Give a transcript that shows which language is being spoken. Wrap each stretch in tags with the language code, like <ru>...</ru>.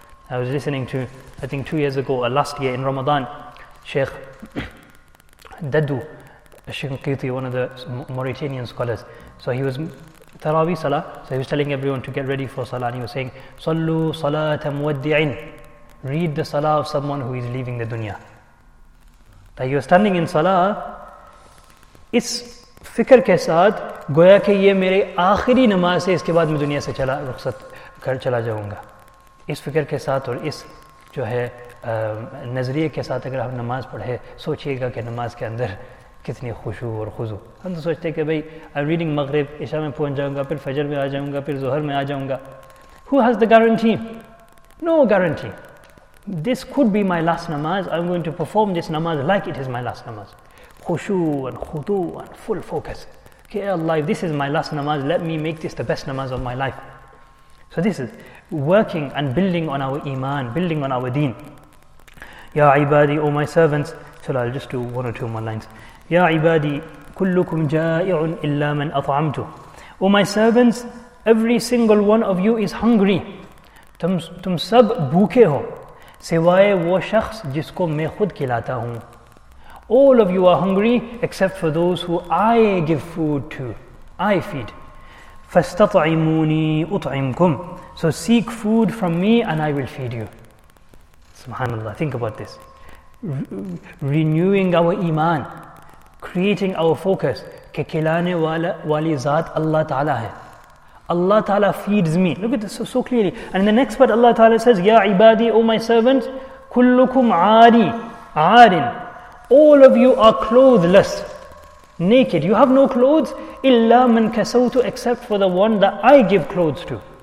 <en>I was listening to, I think 2 years ago or last year in Ramadan, Sheikh Dadu, Shinqiti, one of the Mauritanian scholars. So he was Taraweeh salah, so he was telling everyone to get ready for salah and he was saying,</en> <ar>Sallu salata muwaddi'in.</ar> <en>Read the salah of someone who is leaving the dunya. That you're standing in salah, it's</en> <ur>fikr ke saad, گویا کہ یہ میرے آخری نماز ہے اس کے بعد میں دنیا سے چلا رخصت کر چلا جاؤں گا اس فکر کے ساتھ اور اس جو ہے نظریے کے ساتھ اگر ہم نماز پڑھے سوچئے گا کہ نماز کے اندر کتنی خشوع اور خضوع ہم تو سوچتے کہ بھئی</ur> <en>I'm reading</en> <ur>مغرب عشاء میں پہنچ جاؤں گا پھر فجر میں آ جاؤں گا پھر ظہر میں آ جاؤں گا</ur> <en>Who has the guarantee? No guarantee. This could be my last namaz. I'm going to perform this namaz like it is my last namaz. خشوع and خضوع and full focus. Okay, Allah, if this is my last namaz, let me make this the best namaz of my life. So this is working and building on our iman, building on our deen.</en> <ar>Ya ibadi,</ar> <en>O my servants. So I'll just do one or two more lines.</en> <ar>Ya ibadi, kullukum ja'i'un illa man at'amtu.</ar> <en>O my servants, every single one of you is hungry.</en> <ur>تم سب بھوکے ہو. سوائے وہ شخص جسکو میں خود کھلاتا ہوں.</ur> <en>All of you are hungry except for those who I give food to. I feed.</en> <ar>فَاسْتَطْعِمُونِي أُطْعِمْكُمْ</ar> <en>So seek food from me and I will feed you. SubhanAllah, think about this. Renewing our iman, creating our focus.</en> <ur>كَكِلَانِ وَالِي ذَات اللہ تعالیٰ ہے.</ur> <en>Allah Ta'ala feeds me. Look at this so clearly. And in the next part Allah Ta'ala says,</en> <ar>يَا عِبَادِي</ar> <en>O my servant,</en> <ar>كُلُّكُمْ عَارِي عَارٍ</ar> <en>All of you are clothless, naked. You have no clothes.</en> <ar>إِلَّا مَنْ كَسَوْتُ</ar> <en>Except for the one that I give clothes to.</en>